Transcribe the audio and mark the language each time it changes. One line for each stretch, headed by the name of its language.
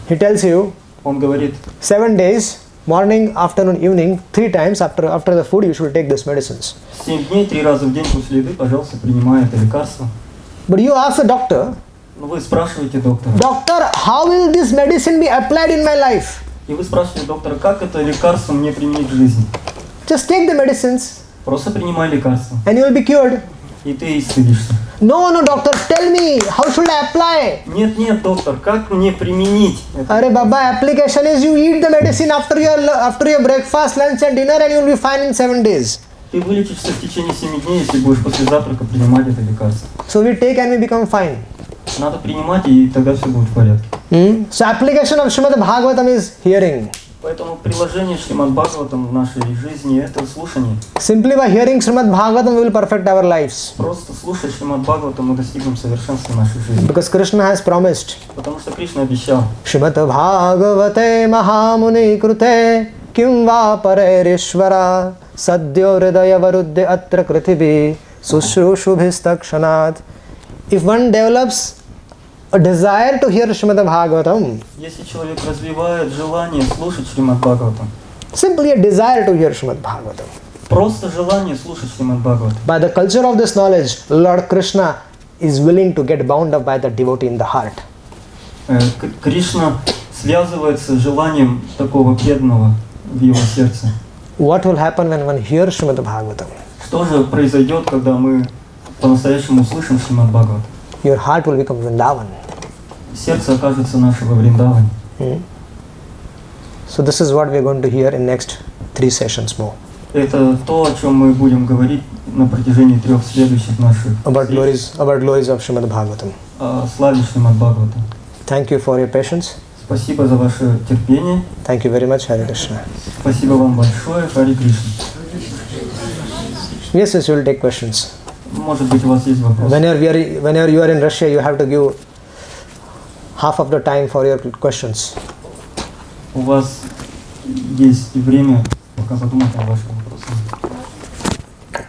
English: He tells you.
Russian: Он говорит.
English: 7 days, morning, afternoon, evening, 3 times after the food, you should take these medicines.
Russian: 7 дней, 3 раза в день после еды, пожалуйста, принимай это лекарство.
English: But you ask the doctor.
Russian: Но вы спрашиваете доктора.
English: Doctor, how will this medicine be applied in my life?
Russian: И вы спрашиваете доктора, как это лекарство мне применить в жизни?
English: Just take the medicines.
Russian: Просто принимай лекарство. And you will be cured. И ты исцелишься.
English: No, doctor, tell me, how should I apply?
Russian: Нет, доктор, как мне применить?
Hindi: Arey, Baba,
English: application is you eat the medicine after your breakfast, lunch and dinner and you'll be fine in 7 days.
Russian: Ты вылечишься в течение 7 дней, если будешь после завтрака принимать это лекарство.
English: So we take and we become fine.
Russian: Надо принимать, и тогда все будет в порядке.
English: So application of Srimad Bhagavatam is hearing.
Russian: Поэтому приложение Srimad Bhagavatam в нашей жизни – это слушание.
English: Simply by hearing Srimad Bhagavatam, we will perfect our lives.
Russian: Просто слушая Srimad Bhagavatam, мы достигнем совершенства в нашей жизни.
English: Because Krishna has promised.
Russian: Потому что Кришна обещал.
Sanskrit: Srimad Bhagavate Mahamuni Krute Kim Vapare Rishvara Sadhyo Hridaya Varudhya Atra Krithibi Sushrushu Bhistakshanat.
English: If one develops a desire to hear Srimad Bhagavatam.
Russian: Если человек развивает желание слушать Srimad Bhagavatam.
English: Simply a desire to hear Srimad Bhagavatam.
Russian: Просто желание слушать Srimad Bhagavatam.
English: By the culture of this knowledge, Lord Krishna is willing to get bound up by the devotee in the heart.
Russian: Кришна связывается с желанием такого преданного в его сердце.
English: What will happen when one hears Srimad Bhagavatam?
Russian: Что же произойдет, когда мы по-настоящему услышим Srimad Bhagavatam?
English: Your heart will become Vrindavan.
Russian: Сердце окажется наше во Вриндаване.
English: So this is what we are going to hear in next 3 sessions more.
Russian: Это то, о чем мы будем говорить на протяжении 3 следующих наших.
English: About glories of Srimad Bhagavatam.
Russian: Славе Srimad Bhagavatam.
English: Thank you for your patience.
Russian: Спасибо за ваше терпение.
English: Thank you very much, Hare Krishna.
Russian: Спасибо вам большое, Hare Krishna.
English: Yes, we will take questions.
Russian: Может быть, у вас есть вопрос.
English: Whenever you are in Russia, you have to give half of the time for your questions.
Russian: У вас есть время пока задумать о ваших вопросах.